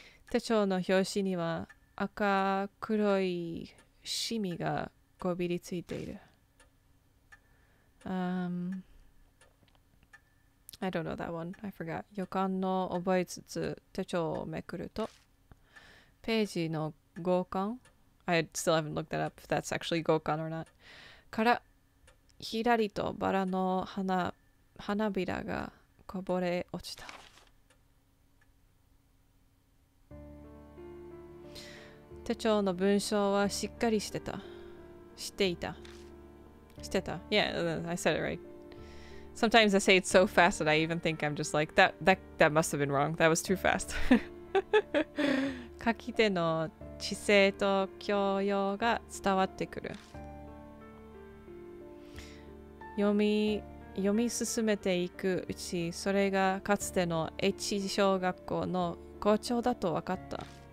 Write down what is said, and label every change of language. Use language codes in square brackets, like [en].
[ja] 手帳の表紙には赤黒いシミがこびりついている。 [en] I don't know that one. I forgot. [ja] 予感の覚えつつ手帳をめくるとページの合間 [en] I still haven't looked that up if that's actually 合間 or not. [ja] からひらりとバラの花びらがこぼれ落ちた。手帳の文章はしっかりしてた。していた。 [en] Yeah, I said it right. Sometimes I say it so fast that I even think I'm just like, that must have been wrong. That was too fast. [ja] 書き手の知性と教養が伝わってくる。読み進めていくうち、それがかつての H 小学校の校長だと分かった。